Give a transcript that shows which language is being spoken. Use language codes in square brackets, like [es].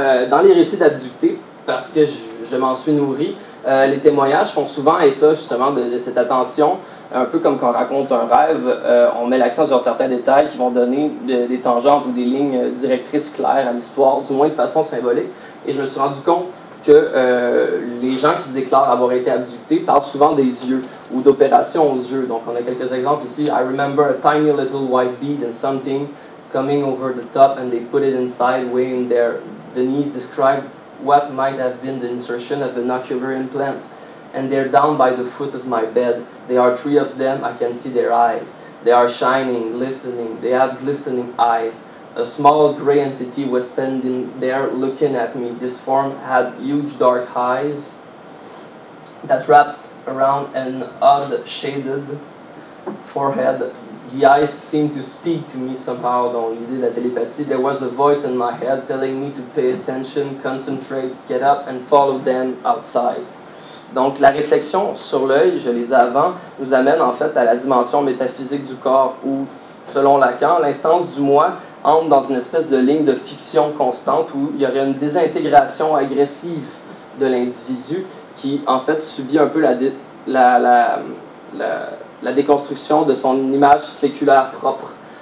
[fr] Dans les récits d'abductés, parce que je m'en suis nourri, les témoignages font souvent état justement de cette attention, un peu comme quand on raconte un rêve, on met l'accent sur certains détails qui vont donner des tangentes ou des lignes directrices claires à l'histoire, du moins de façon symbolique. Et je me suis rendu compte que les gens qui se déclarent avoir été abductés parlent souvent des yeux ou d'opérations aux yeux. Donc on a quelques exemples ici. [en] « I remember a tiny little white bead and something coming over the top and they put it inside way in there. Denise described... what might have been the insertion of an ocular implant. And they're down by the foot of my bed. There are three of them. I can see their eyes. They are shining, glistening. They have glistening eyes. A small gray entity was standing there looking at me. This form had huge dark eyes that wrapped around an odd shaded forehead. The eyes seemed to speak to me somehow, [fr] dans l'idée de la télépathie. [en] There was a voice in my head telling me to pay attention, concentrate, get up, and follow them outside. [fr] Donc, la réflexion sur l'œil, je l'ai dit avant, nous amène en fait à la dimension métaphysique du corps où, selon Lacan, l'instance du moi entre dans une espèce de ligne de fiction constante où il y aurait une désintégration agressive de l'individu qui, en fait, subit un peu la déconstruction de son image spéculaire propre.